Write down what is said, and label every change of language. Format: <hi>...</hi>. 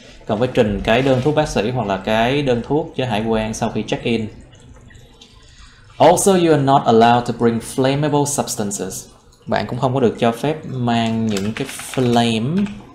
<vi>Còn phải trình cái đơn thuốc bác sĩ hoặc là cái đơn thuốc cho hải quan sau khi check in.</vi> <en>Also, you are not allowed to bring flammable substances.</en> <vi>Bạn cũng không có được cho phép mang những cái flame.</vi>